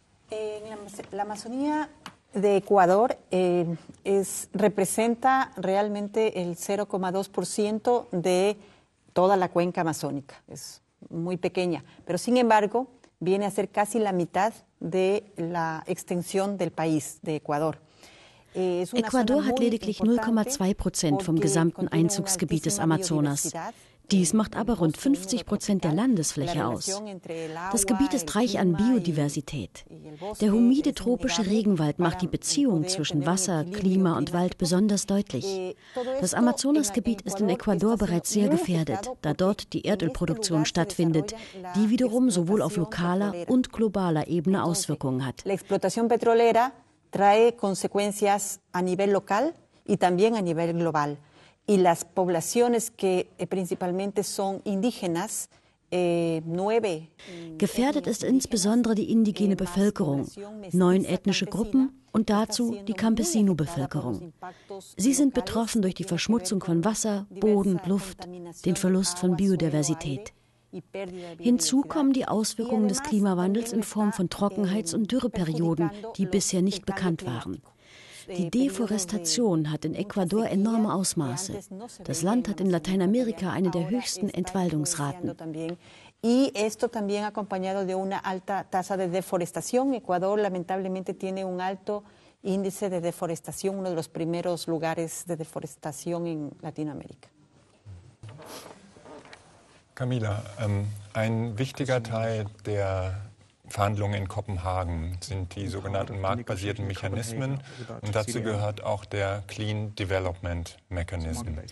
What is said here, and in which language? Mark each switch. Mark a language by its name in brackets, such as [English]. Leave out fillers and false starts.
[Spanish] En la Amazonía de Ecuador representa realmente el 0,2% de toda la cuenca amazónica. Es muy pequeña, pero sin embargo viene a ser casi la mitad de la extensión del país de Ecuador. [German] Ecuador hat lediglich 0,2% vom gesamten Einzugsgebiet des Amazonas. Dies macht aber rund 50% der Landesfläche aus. Das Gebiet ist reich an Biodiversität. Der humide tropische Regenwald macht die Beziehung zwischen Wasser, Klima und Wald besonders deutlich. Das Amazonasgebiet ist in Ecuador bereits sehr gefährdet, da dort die Erdölproduktion stattfindet, die wiederum sowohl auf lokaler und globaler Ebene Auswirkungen hat. [Spanish] La explotación petrolera trae consecuencias a nivel local y también a nivel global. Y las poblaciones que principalmente son indígenas [German] Gefährdet ist insbesondere die indigene Bevölkerung, 9 ethnische Gruppen und dazu die Campesino-Bevölkerung. Sie sind betroffen durch die Verschmutzung von Wasser, Boden, Luft, den Verlust von Biodiversität. Hinzu kommen die Auswirkungen des Klimawandels in Form von Trockenheits- und Dürreperioden, die bisher nicht bekannt waren. Die Deforestation hat in Ecuador enorme Ausmaße. Das Land hat in Lateinamerika eine der höchsten Entwaldungsraten. [Spanish] Y esto también acompañado de una alta tasa de deforestación. Ecuador lamentablemente tiene un alto índice de deforestación, uno de los primeros lugares de deforestación en Latinoamérica. [German] Camila, ein wichtiger Teil der Verhandlungen in Kopenhagen sind die sogenannten marktbasierten Mechanismen und dazu gehört auch der Clean Development Mechanism.